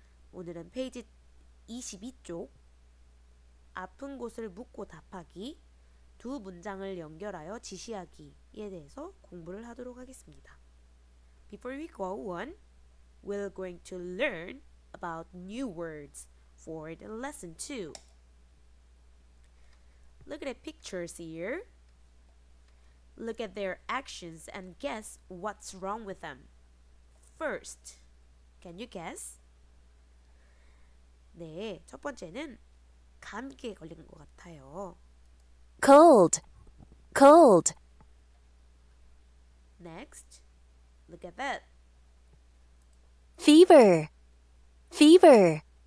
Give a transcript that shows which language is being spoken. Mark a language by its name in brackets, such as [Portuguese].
[Korean] 오늘은 페이지 22쪽 아픈 곳을 묻고 답하기 두 문장을 연결하여 지시하기에 대해서 공부를 하도록 하겠습니다. [English] Before we go on, we're going to learn about new words for the lesson 2. Look at the pictures here. Look at their actions and guess what's wrong with them. First, can you guess? [Korean] 네, 첫 번째는 감기에 걸린 것 같아요. [English] Cold, cold. Next, look at that. Fever, fever.